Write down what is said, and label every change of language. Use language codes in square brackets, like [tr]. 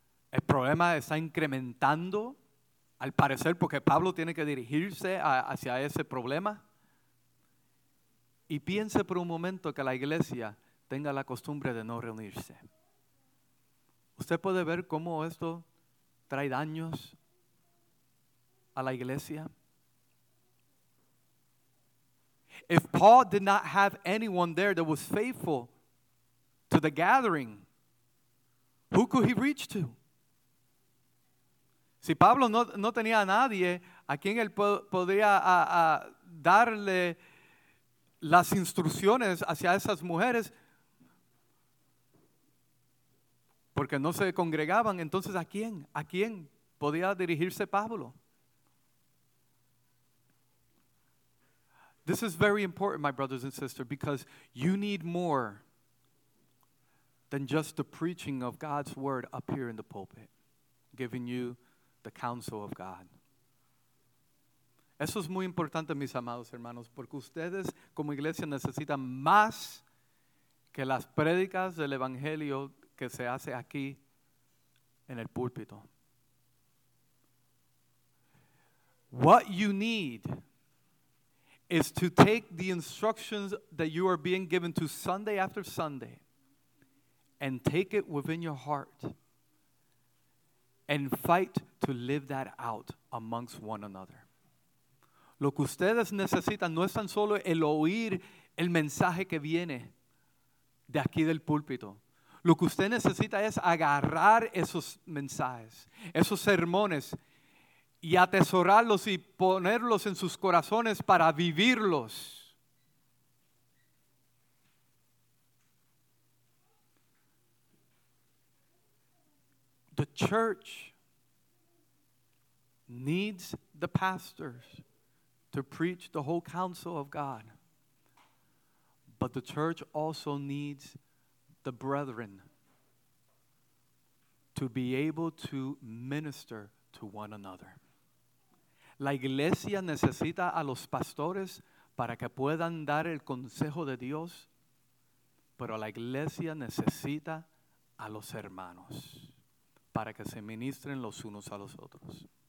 [es] El problema está incrementando, al parecer, porque Pablo tiene que dirigirse hacia ese problema. Y piense por un momento que la iglesia tenga la costumbre de no reunirse. Usted puede ver cómo esto trae daños a la iglesia. [en] If Paul did not have anyone there that was faithful to the gathering, who could he reach to? [es] Si Pablo no tenía a nadie a quien él podría darle las instrucciones hacia esas mujeres, porque no se congregaban, entonces ¿a quién podía dirigirse Pablo? [en] This is very important, my brothers and sisters, because you need more than just the preaching of God's word up here in the pulpit, giving you the counsel of God. [es] Eso es muy importante, mis amados hermanos, porque ustedes como iglesia necesitan más que las prédicas del evangelio que se hace aquí en el púlpito. [en] What you need is to take the instructions that you are being given to Sunday after Sunday and take it within your heart and fight to live that out amongst one another. [es] Lo que ustedes necesitan no es tan solo el oír el mensaje que viene de aquí del púlpito. Lo que usted necesita es agarrar esos mensajes, esos sermones, y atesorarlos y ponerlos en sus corazones para vivirlos. [en] The church needs the pastors to preach the whole counsel of God. But the church also needs the brethren to be able to minister to one another. [es] La iglesia necesita a los pastores para que puedan dar el consejo de Dios, pero la iglesia necesita a los hermanos para que se ministren los unos a los otros.